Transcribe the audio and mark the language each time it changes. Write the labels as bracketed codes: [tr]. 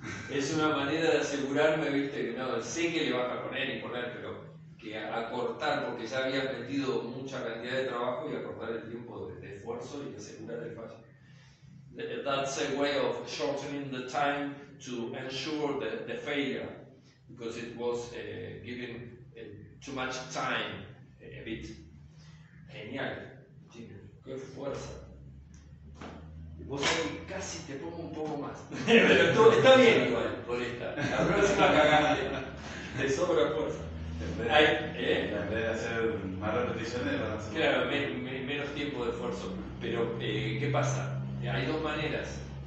[es] Es una manera de asegurarme, viste, que no, sé que le vas a poner y poner, pero que a cortar, porque ya habías metido mucha cantidad de trabajo y a cortar el tiempo de esfuerzo y asegurar el fallo. [en] That's a way of shortening the time to ensure the failure, because it was giving too much time, a bit. [es] Genial, Jimmy, qué fuerza. Vos ahí casi te pongo un poco más. Pero tú, está bien igual, por esta. La próxima cagaste. Te sobra fuerza. En vez de hacer más repeticiones, van a hacer. Claro, menos tiempo de esfuerzo. Pero, ¿qué pasa? Hay dos maneras.